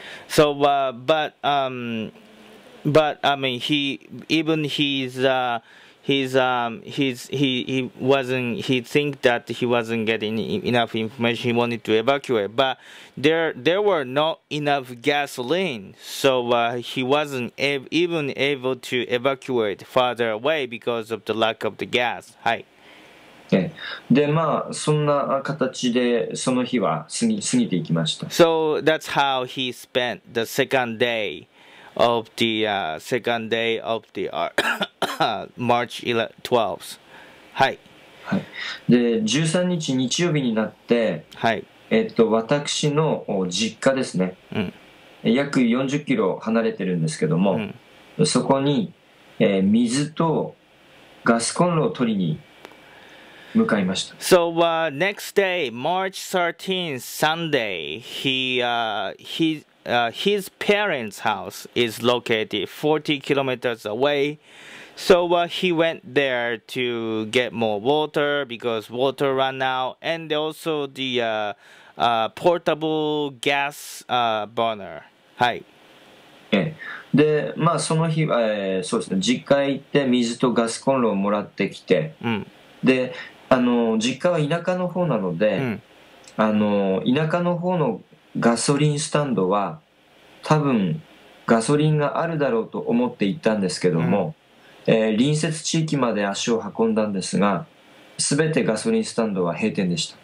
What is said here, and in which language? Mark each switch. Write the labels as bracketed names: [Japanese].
[English] So, but, But I mean, he even he thinks that he wasn't getting enough information. He wanted to evacuate, but there were not enough gasoline, so he wasn't even able to evacuate farther away because of the lack of the gas. [Japanese] はい。で、まあそんな形でその日は過ぎていきました。 [English] So that's how he spent the second day. Of the second day of the March 12th. [Japanese] はい。はい。で、13日日曜日になって、はい。私の実家ですね。うん。約40キロ離れてるんですけども、うん、そこに、水とガスコンロを取りに向かいました。 [English] So, next day, March 13th, Sunday, his parents' house is located 40 kilometers away. So he went there to get more water because water ran out, and also the portable gas burner. [Japanese] はい。で、まあその日は、そうですね、実家へ行って水とガスコンロをもらってきて、うん、で、実家は田舎の方なので、うん、田舎の方のガソリンスタンドは多分ガソリンがあるだろうと思って行ったんですけども、うん、隣接地域まで足を運んだんですが、すべてガソリンスタンドは閉店でした。